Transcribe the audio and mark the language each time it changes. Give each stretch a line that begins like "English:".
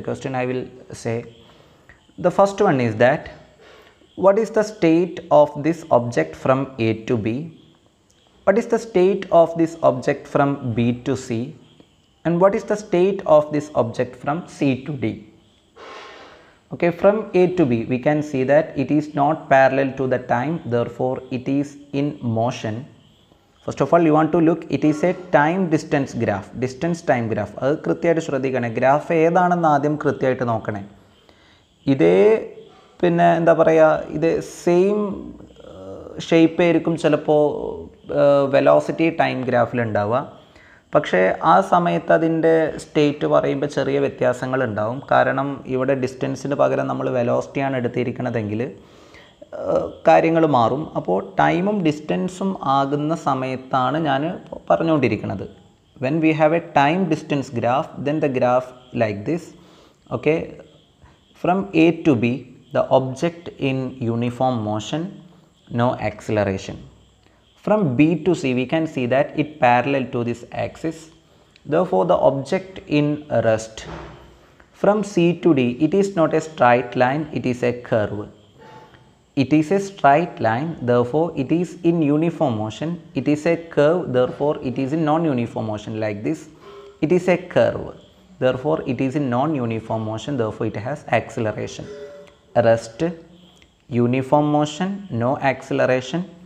English: The question I will say, the first one is that what is the state of this object from A to B, what is the state of this object from B to C, and what is the state of this object from C to D. Okay, from A to B, we can see that it is not parallel to the time, therefore it is in motion. First of all, you want to look, it is a time distance graph, distance time graph.
Malayalam: അത് കൃത്യമായിട്ട് ശ്രദ്ധിക്കണേ, graph ഏതാണെന്ന് ആദ്യം കൃത്യമായിട്ട് നോക്കണേ. ഇതേ പിന്നെ എന്താ പറയുക, ഇത് സെയിം ഷേപ്പ് ആയിരിക്കും ചിലപ്പോൾ വെലോസിറ്റി ടൈം ഗ്രാഫിൽ ഉണ്ടാവുക. പക്ഷേ ആ സമയത്ത് അതിൻ്റെ സ്റ്റേറ്റ് പറയുമ്പോൾ ചെറിയ വ്യത്യാസങ്ങൾ ഉണ്ടാവും. കാരണം ഇവിടെ ഡിസ്റ്റൻസിന് പകരം നമ്മൾ വെലോസിറ്റിയാണ് എടുത്തിരിക്കണതെങ്കിൽ കാര്യങ്ങൾ മാറും. അപ്പോൾ ടൈമും ഡിസ്റ്റൻസും ആകുന്ന സമയത്താണ് ഞാൻ പറഞ്ഞുകൊണ്ടിരിക്കുന്നത്.
English: When we have a time distance graph, then the graph like this. Okay, from A to B, the object in uniform motion, no acceleration. From B to C, we can see that it parallel to this axis. Therefore the object in rest. From C to D, it is not a straight line, it is a curve. It is a straight line, therefore it is in uniform motion. It is a curve, therefore it is in non-uniform motion like this. It is a curve, therefore it is in non-uniform motion, therefore it has acceleration. Rest, uniform motion, no acceleration.